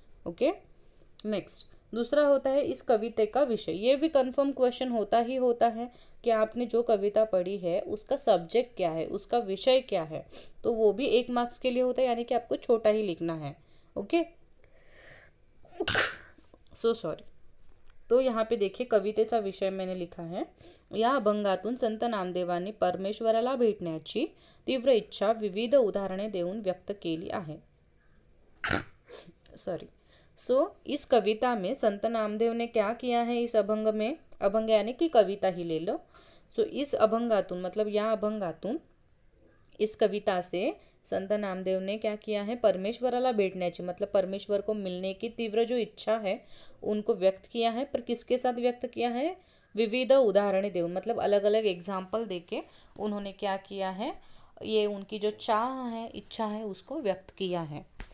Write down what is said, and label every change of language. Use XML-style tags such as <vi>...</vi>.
<hi>Okay, next. दूसरा होता है इस कविता का विषय, ये भी कंफर्म क्वेश्चन होता ही होता है कि आपने जो कविता पढ़ी है उसका सब्जेक्ट क्या है, उसका विषय क्या है, तो वो भी 1 मार्क्स के लिए होता है, यानी कि आपको छोटा ही लिखना है.</hi> <en>Okay, so sorry.</en> <hi>तो यहाँ पे देखिए</hi> <mr>कवितेचा विषय मैंने लिखा है, या अभंगातून संत नामदेवांनी परमेश्वराला भेटण्याची तीव्र इच्छा विविध उदाहरणे देऊन व्यक्त केली आहे.</mr> <en>Sorry.</en> <hi>सो इस कविता में संत नामदेव ने क्या किया है, इस अभंग में, अभंग यानी कि कविता ही ले लो. सो इस अभंगातून मतलब या अभंगातून, इस कविता से संत नामदेव ने क्या किया है,</hi> <mr>परमेश्वराला भेटण्याची</mr> <hi>मतलब परमेश्वर को मिलने की तीव्र जो इच्छा है उनको व्यक्त किया है, पर किसके साथ व्यक्त किया है, विविध उदाहरण दे, मतलब अलग अलग एग्जाम्पल दे के उन्होंने क्या किया है, ये उनकी जो चाह है इच्छा है उसको व्यक्त किया है.</hi>